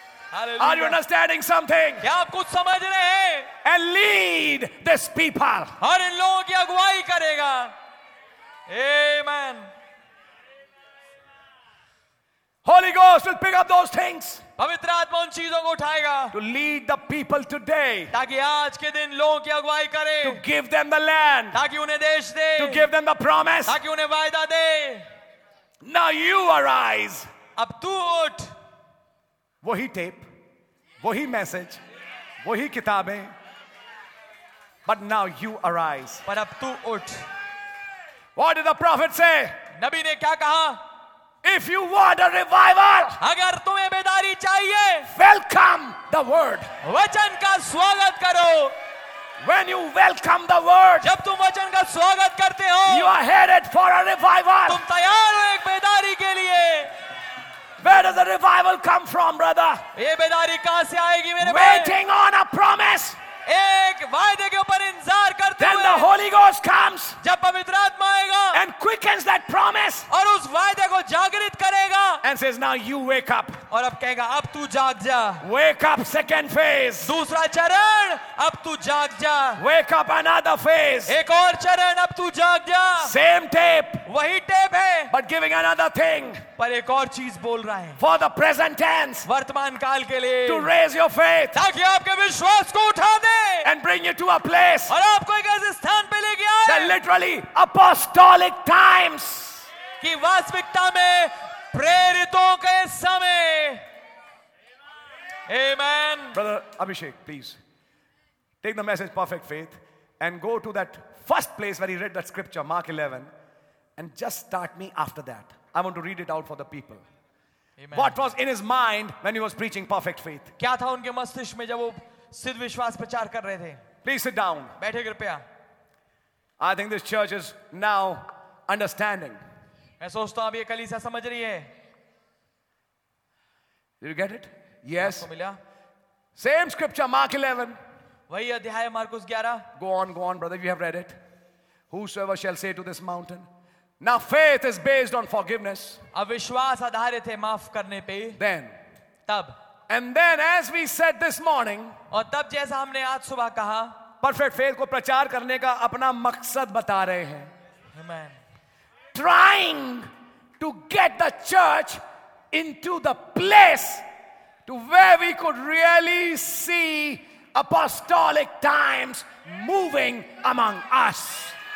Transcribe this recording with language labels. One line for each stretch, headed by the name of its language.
English: Hallelujah. Are you understanding something?
Hindi: Kya aap kuch samajh rahe hain?
English: And lead this people.
Hindi: Aur in logon ki agwai karega. Amen.
English: Holy Ghost will pick up those things.
Hindi: पवित्र आत्मा उन चीजों को उठाएगा
English: to lead the people today
Hindi: ताकि आज के दिन लोगों की अगुवाई करे
English: to give them the land
Hindi: ताकि उन्हें देश दे
English: to give them the promise
Hindi: ताकि उन्हें वायदा दे
English: now you arise
Hindi: अब तू उठ वही टेप वही मैसेज वही किताबें
English: but now you arise
Hindi: पर अब तू उठ
English: what did the prophet से
Hindi: नबी ने क्या कहा
English: If you want a revival,
Hindi: अगर तुम्हें बेदारी चाहिए,
English: welcome the word.
Hindi: वचन का स्वागत करो.
English: When you welcome the word,
Hindi: जब तुम वचन का स्वागत करते हो,
English: you are headed for a revival.
Hindi: तुम तैयार हो एक बेदारी के लिए.
English: Where does the revival come from, brother?
Hindi: ये बेदारी कहाँ से आएगी मेरे भाई?
English: Waiting on a promise.
Hindi: एक वायदे के ऊपर इंतजार करते हुए,
English: then the Holy Ghost comes,
Hindi: जब पवित्र आत्मा आएगा,
English: and quickens that promise,
Hindi: और उस वायदे को जागृत करेगा,
English: and says now you wake up,
Hindi: और अब कहेगा अब तू जाग जा,
English: wake up second phase,
Hindi: दूसरा चरण, अब तू जाग जा,
English: wake up another phase,
Hindi: एक और चरण, अब तू जाग जा,
English: same tape,
Hindi: वही टेप है,
English: but giving another thing.
Hindi: पर एक और चीज बोल रहा है
English: for the present tense
Hindi: वर्तमान काल के लिए
English: to raise your faith
Hindi: ताकि आपके विश्वास को उठा दे
English: and bring you to a place
Hindi: और आपको एक ऐसे स्थान पे लेके आए
English: literally apostolic times
Hindi: की वास्तविकता में प्रेरितों के समय आमेन
English: Brother Abhishek please take the message perfect faith and go to that first place where he read that scripture Mark 11 and just start me after that I want to read it out for the people. What was in his mind when he was preaching perfect faith?
Hindi: क्या था उनके मस्तिष्क में जब वो सिद्ध विश्वास प्रचार कर रहे थे?
English: Please sit down.
Hindi: बैठे कृपया.
English: I think this church is now understanding.
Hindi: मैं सोचता हूँ अब ये कलीसिया समझ रही है.
English: Did you get it? Yes.
Hindi: आपको मिला?
English: Same scripture, Mark 11.
Hindi: वही अध्याय Marcus 11.
English: Go on, brother. You have read it. Whosoever shall say to this mountain. Now faith is based on forgiveness.
Hindi: अविश्वास आधारित है माफ करने पे.
English: Then.
Hindi: तब.
English: And then, as we said this morning.
Hindi: और तब जैसा हमने आज सुबह कहा. Perfect faith को प्रचार करने का अपना मकसद बता रहे हैं.
English: Amen. Trying to get the church into the place to where we could really see apostolic times moving among us.